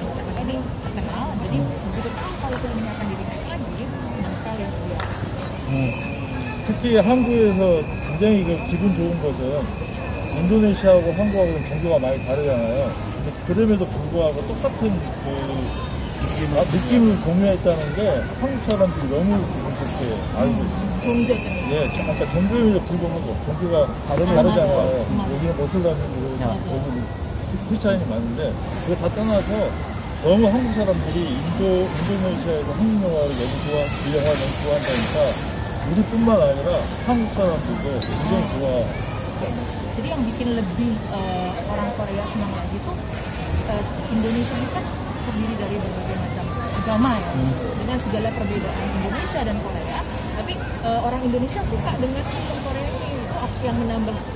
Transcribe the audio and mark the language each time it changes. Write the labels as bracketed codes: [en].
[id] 7 ini terkenal, jadi begitu tahu kalau filmnya akan di remake lagi, senang sekali ya. [ko] 특히 한국에서 굉장히 이거 기분 좋은 것은 인도네시아하고 한국하고는 종교가 많이 다르잖아요. 그럼에도 불구하고 똑같은 그 느낌을 공유했다는 게 한국 사람들이 너무 기분 좋게 알고 있어요. 종교 때문에? 네, 아까 종교에도 불구하고 종교가 다르잖아요. 여기는 모슬람이고 그 차이는 많은데 그거 다 떠나서 너무 한국 사람들이 인도네시아에서 한국 영화를 너무 좋아한다니까 우리뿐만 아니라 한국 사람들도 굉장히 좋아. [id] 그리고 yang bikin lebih orang Korea senang lagi itu Indonesia ini kan terdiri dari berbagai macam agama ya, dengan segala perbedaan Indonesia dan Korea. Tapi orang Indonesia suka dengan film Korea ini, itu yang menambah